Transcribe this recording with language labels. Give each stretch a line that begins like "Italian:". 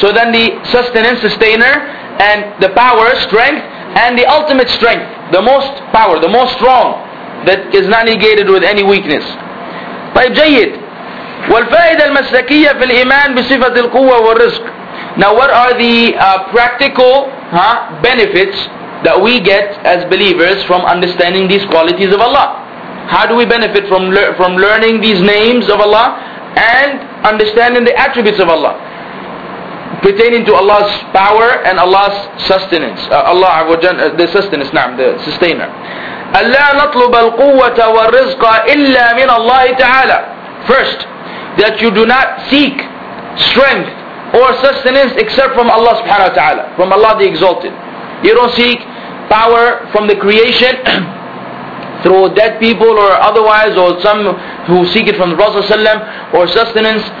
English: So then the sustenance, sustainer, and the power, strength, and the ultimate strength, the most power, the most strong, that is not negated with any weakness.
Arabic: طيب جيد. والفائدة المسلكية في الإيمان بصفة القوة والرزق.
English: Now what are the practical benefits that we get as believers from understanding these qualities of Allah? How do we benefit from learning these names of Allah and understanding the attributes of Allah pertaining to Allah's power and Allah's sustenance? The sustainer.
Arabic: Allah نطلب القوة والرزق إلا من الله تعالى.
English: First, that you do not seek strength or sustenance except from Allah subhanahu wa ta'ala, from Allah the Exalted. You don't seek power from the creation through dead people or otherwise, or some who seek it from the Prophet ﷺ, or sustenance.